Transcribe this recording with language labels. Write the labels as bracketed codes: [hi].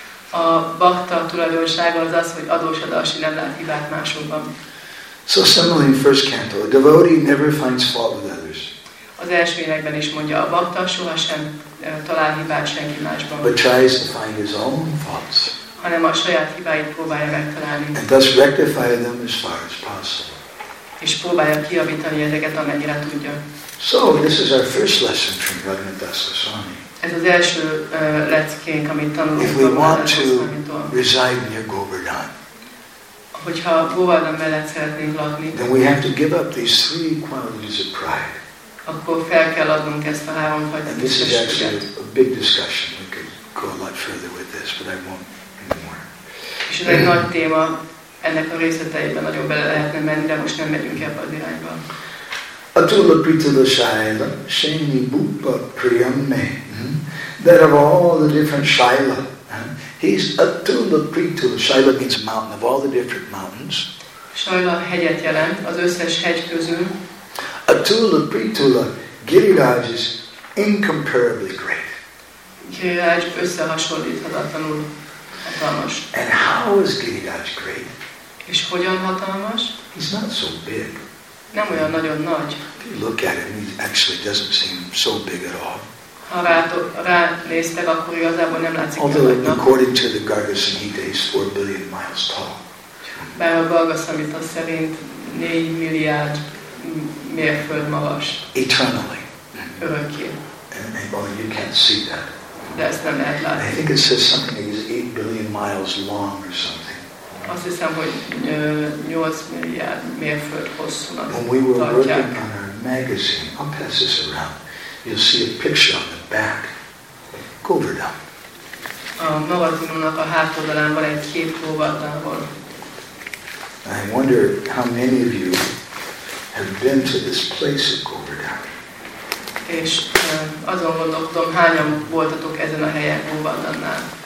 [hu] A bhakta tulajdonsága az, hogy adoshadarshi, nem lát hibát másokban. [en] So similarly in first canto, a devotee never finds fault with others. [hu] Az első énekben is mondja, a bhakta sohasem talál hibát senki másban. [en] But tries to find his own faults. [hu] Hanem a saját hibáit próbálja megtalálni. [en] And thus rectify them as far as possible. [hu] és próbálja kijavítani ezeket, amennyire tudja. [en] So, this is our first lesson from Raghunath Das Goswami. [hu] Ez az első leckénk, amit tanulunk. [en] If we want to reside near Govardhan, [hu] hogyha Govardhan mellett szeretnénk lakni, [en] then we have to give up these three qualities of pride. [hu] Akkor fel kell adnunk ezt a három fajta. [en] This is actually a big discussion. We could go a lot further with this, but I won't anymore. [hu] És ez egy nagy téma. Ennek a részleteiben nagyon bele lehetne menni, de most nem megyünk ebbe az irányba. [sa] Atula pritula shaila, shaini bupa priyamme. [en] That of all the different shaila, he's atula pritula. Shaila means mountain. Of all the different mountains. [hu] Shaila hegyet jelent, az összes hegy közül. [en] Atula pritula, Giriraj is incomparably great. [hu] Giriraj összehasonlíthatatlanul hatalmas. [en] And how is Giriraj great? [hu] És hogyan hatalmas? [en] He's not so big. [hu] Nem olyan nagyon nagy. [en] If you look at him, he actually doesn't seem so big at all. [hu] Ha ránéztek, akkor igazából nem látszik nagynak. [en] Although according to the Gargasamhita, he's 4 billion miles tall. [hu] Bár a Gargasamhita szerint 4 milliárd mérföld magas. [en] Eternally. [hu] Örökké. [en] And you can't see that. [hu] De ezt nem lehet látni. [en] I think it says something that he's 8 billion miles long or something. [hu] Azt hiszem, hogy 8 milliárd mérföld hosszúnak tartják. [en] When we were working on our magazine, I'll pass this around. You'll see a picture on the back. Go over down. [hu] A magazinunknak a hátoldalán van egy kép Govardhanról. [en] I wonder how many of you have been to this place of Govardhan. [hu] És azon gondoltam, hányan voltatok ezen a helyen Govardhannál.